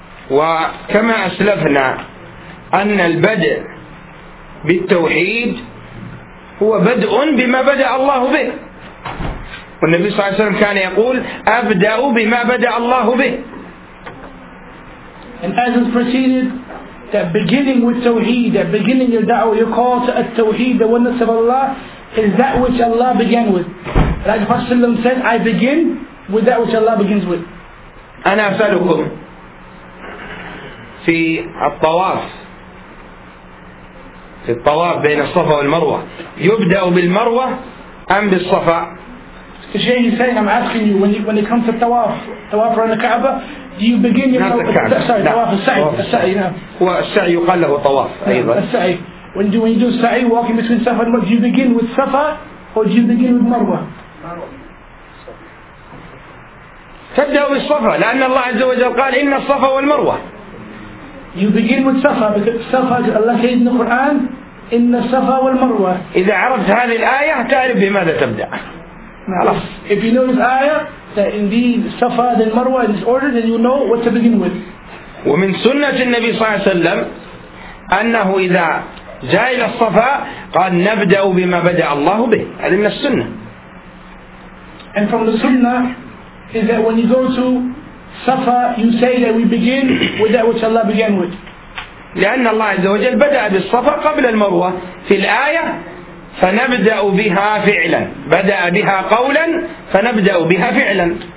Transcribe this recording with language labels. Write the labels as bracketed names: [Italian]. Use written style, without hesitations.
[Arabic] وكما أسلفنا أن البدء بالتوحيد هو بدء بما بدأ الله به، والنبي صلى الله عليه وسلم كان يقول أبدأ بما بدأ الله به. [English] And as it proceeded, that beginning with Tawheed, that beginning your da'wah, your call to At-Tawheed, the oneness of Allah, is that which Allah began with. Like the Prophet ﷺ said, I begin with that which Allah begins with. [Arabic] أنا أسألكم في الطواف، في الطواف بين الصفا والمروة، يبدأ بالمروة أم بالصفا؟ [English] The Shaykh is saying, I'm asking you, when it comes to tawaf, tawaf around the Kaaba, do you begin your tawaf? Sorry, no. Tawaf al-sa'i. When you do sa'i, walking between Safa and Marwa, do you begin with Safa or do you begin with Marwa? [Arabic] تبدأ بالصفا لأن الله عز وجل قال إن الصفا والمروة. [English] You begin with Safa because Safa, Allah says in the Quran, [Arabic] إن الصفا والمروة. إذا عرفت هذه الآية تعرف بماذا تبدأ. [English] Now, if you know this ayah that indeed Safa then Marwa is ordered, then you know what to begin with. [Arabic] ومن سنة النبي صلى الله عليه وسلم أنه إذا جاء إلى الصفا قال نبدأ بما بدأ الله به. هذه من السنة. [English] And from the sunnah is that when you go to Safa, you say that we begin with that which Allah began with. [Arabic] لأن الله عز وجل بدأ بالصفا قبل المروة في الآية. فنبدأ بها فعلا، بدأ بها قولا فنبدأ بها فعلا.